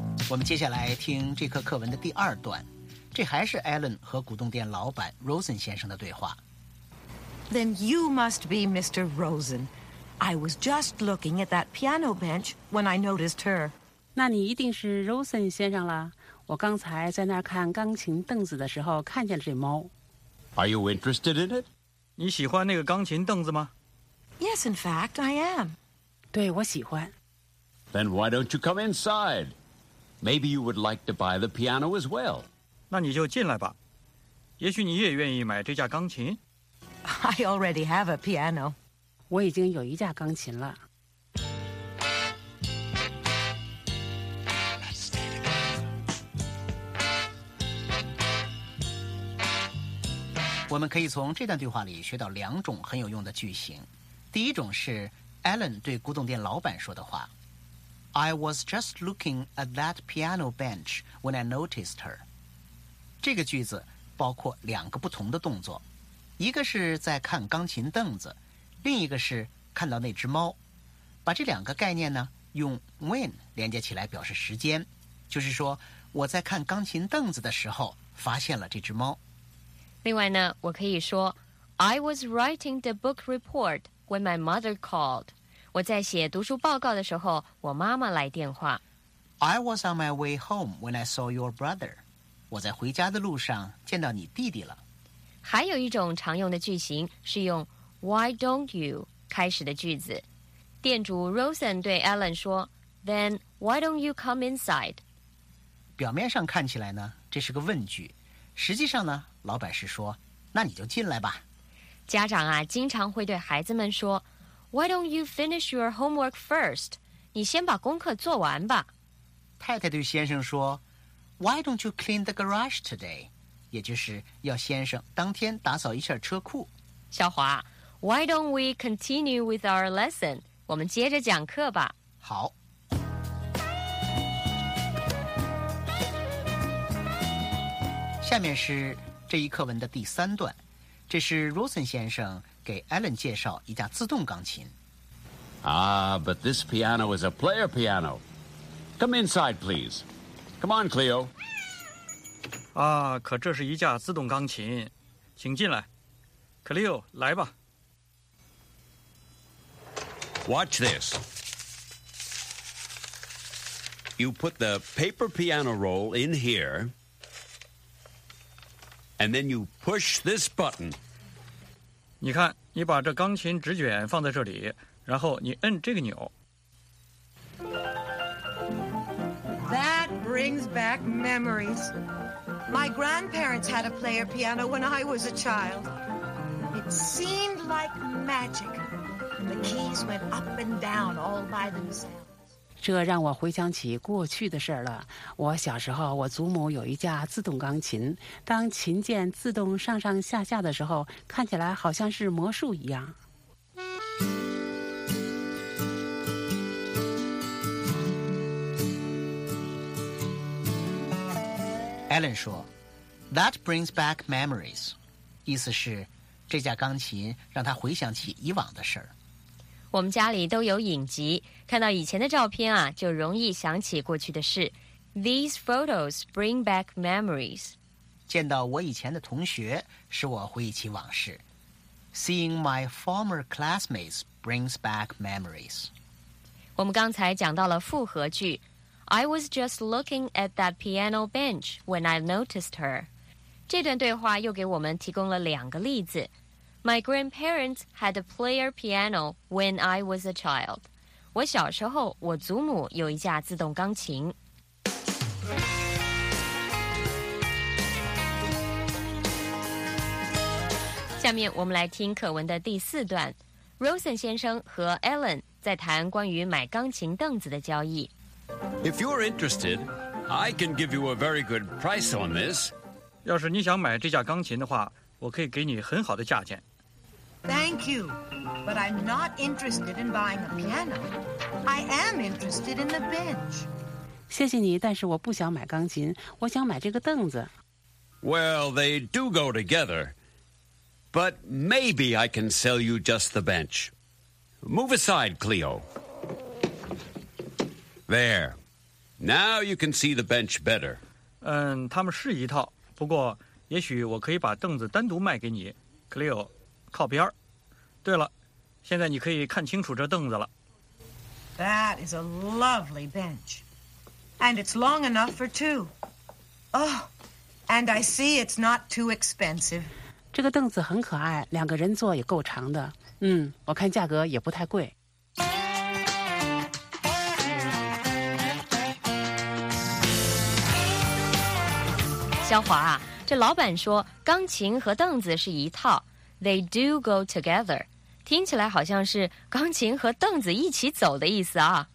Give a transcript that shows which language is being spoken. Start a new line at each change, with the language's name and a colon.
Chinese: 我们接下来听这课课文的第二段，这还是 Alan 和古董店老板 Rosen 先生的对话。
English: Then you must be Mr. Rosen. I was just looking at that piano bench when I noticed her.
Chinese: 那你一定是 Rosen 先生了。我刚才在那看钢琴凳子的时候看见了这猫。
English: Are you interested in it?
Chinese: 你喜欢那个钢琴凳子吗？
English: Yes, in fact, I am.
Chinese: 对，我喜欢。
English: Then why don't you come inside? Maybe you would like to buy the piano as well.
Chinese: 那你就进来吧。也许你也愿意买这架钢琴。
English: I already have a piano.
Chinese: 我已经有一架钢琴了。我们可以从这段对话里学到两种很有用的句型。第一种是 Alan 对古董店老板说的话。
English: I was just looking at that piano bench when I noticed her.
Chinese: 这个句子包括两个不同的动作，一个是在看钢琴凳子，另一个是看到那只猫。把这两个概念呢，用 when 连接起来表示时间，就是说我在看钢琴凳子的时候发现了这只猫。另外呢，我可以说
English: I was writing the book report when my mother called.
Chinese: 我在写读书报告的时候，我妈妈来电话。
English: I was on my way home when I saw your brother.
Chinese: 我在回家的路上见到你弟弟了。还有一种常用的句型是用
English: Why don't you
Chinese: 开始的句子。店主
English: Rosen 对 Alan 说 Then why don't you come inside?
Chinese: 表面上看起来呢，这是个问句。实际上呢，老板是说那你就进来吧。家长啊，经常会对孩子们说
English: Why don't you finish your homework first?
Chinese: 你先把功课做完吧。太太对先生说
English: Why don't you clean the garage today?
Chinese: 也就是要先生当天打扫一下车库。小华
English: Why don't we continue with our lesson?
Chinese: 我们接着讲课吧。好。下面是这一课文的第三段。这是 Rosen 先生给 Alan 介绍一架自动钢琴。
English: Ah, but this piano is a player piano. Come inside, please. Come on, Cleo.
Chinese: 啊，可这是一架自动钢琴，请进来。 Cleo, 来吧。
English: Watch this. You put the paper piano roll in here, and then you push this button.
Chinese: 你看，你把这钢琴纸卷放在这里，然后你摁这个钮。
English: That brings back memories. My grandparents had a player piano when I was a child. It seemed like magic. The keys went up and down all by themselves.
Chinese: 这让我回想起过去的事了。我小时候，我祖母有一架自动钢琴，当琴键自动上上下下的时候，看起来好像是魔术一样。
English: Alan
Chinese: 说
English: That brings back memories.
Chinese: 意思是这架钢琴让他回想起以往的事儿。我们家里都有影集，看到以前的照片啊，就容易想起过去的事。
English: These photos bring back memories.
Chinese: 见到我以前的同学，使我回忆起往事。
English: Seeing my former classmates brings back memories.
Chinese: 我们刚才讲到了复合句。
English: I was just looking at that piano bench when I noticed her.
Chinese: 这段对话又给我们提供了两个例子。
English: My grandparents had a player piano when I was a child.
Chinese: 我小时候，我祖母有一架自动钢琴。下面我们来听课文的第四段。Rosen 先生和 Alan 在谈关于买钢琴凳子的交易。
English: If you're interested, I can give you a very good price on this. 要是你想买这架钢琴的话，我可以给你很好的价钱。 Thank you, but I'm not interested in buying a piano. I am interested in the bench.
Chinese: 谢谢你，但是我不想买钢琴，我想买这个凳子。
English: Well, they do go together, but maybe I can sell you just the bench. Move aside, Cleo. There. Now you can see the bench better.
Chinese: 嗯，他们是一套，不过也许我可以把凳子单独卖给你。 Cleo， 靠边。对了，现在你可以看清楚这凳子了。
English: That is a lovely bench. And it's long enough for two. Oh, and I see it's not too expensive.
Chinese: 这个凳子很可爱，两个人坐也够长的。嗯，我看价格也不太贵。肖华啊，这老板说钢琴和凳子是一套，
English: They do go together，
Chinese: 听起来好像是钢琴和凳子一起走的意思啊。